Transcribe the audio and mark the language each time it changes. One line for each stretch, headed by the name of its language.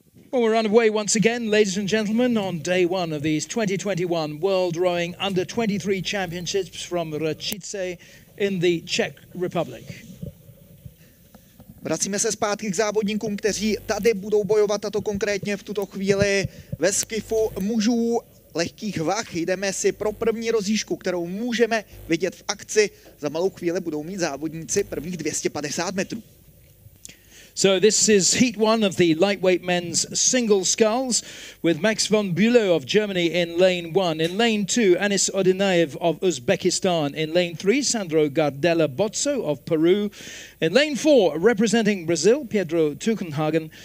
English: Well, we're underway once again, ladies and gentlemen, on day one of these 2021 World Rowing Under 23 Championships from Racice in the Czech Republic.
Czech: Vracíme se zpátky k závodníkům, kteří tady budou bojovat, a to konkrétně v tuto chvíli ve skifu mužů lehkých vah. Jdeme si pro první rozjížku, kterou můžeme vidět v akci. Za malou chvíli budou mít závodníci prvních 250 metrů.
English: So this is heat one of the lightweight men's single sculls with Max von Bülow of Germany in lane one. In lane two, Anis Odinayev of Uzbekistan. In lane three, Sandro Gardella Bozzo of Peru. In lane four, representing Brazil, Pedro Tuchenhagen.